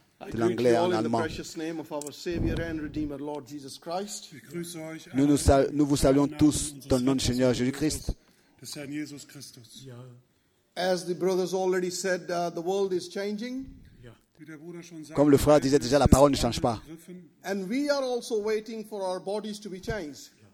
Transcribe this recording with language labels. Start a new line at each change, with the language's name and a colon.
French: De l'anglais en allemand. Nous vous saluons tous dans le nom du Seigneur Jésus-Christ.
English: As the brothers already said, the world is changing.
French: Comme le frère disait déjà, la parole ne change pas.
English: And we are also waiting for our bodies to be changed.